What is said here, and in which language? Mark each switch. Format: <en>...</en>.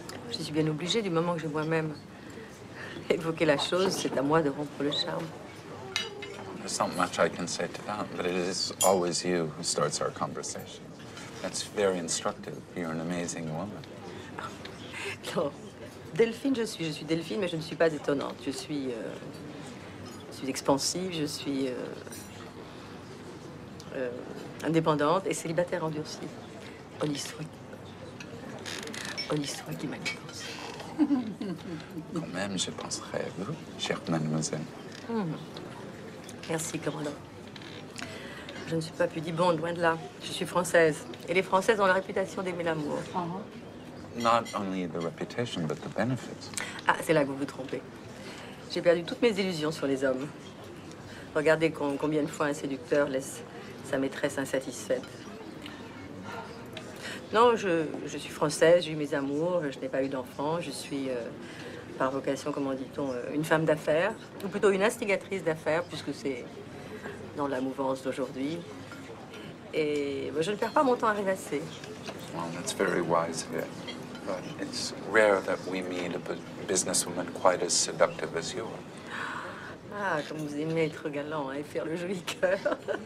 <fr>Je suis bien obligée du moment que je vois même évoquer la chose, c'est à moi de rompre le charme.</fr> <en>There's not much I can say to that, but it is always you who starts our conversation. That's very instructive. You're an amazing woman.</en> <fr>Non. Delphine, je suis Delphine, mais je ne suis pas étonnante. Je suis suis expansive, je suis indépendante et célibataire endurcie. Olistoy qui m'a dit. Quand même, je penserai à vous, chère mademoiselle. Merci, commandant. Je ne suis pas pudibonde, loin de là. Je suis française. Et les Françaises ont la réputation d'aimer l'amour.</fr> <en>Not only the reputation, but the benefits.</en> <fr>Ah, c'est là que vous vous trompez. J'ai perdu toutes mes illusions sur les hommes. Regardez combien de fois un séducteur laisse sa maîtresse insatisfaite. Non, je suis française, j'ai eu mes amours, je n'ai pas eu d'enfants, je suis, par vocation, comment dit-on, une femme d'affaires, ou plutôt une instigatrice d'affaires, puisque c'est dans la mouvance d'aujourd'hui. Et ben, je ne perds pas mon temps à rêvasser.</fr> <en>Well, that's very wise of you. But it's rare that we meet a businesswoman quite as seductive as you.</en> <fr>Ah, comme vous aimez être galant et faire le joli cœur.</fr>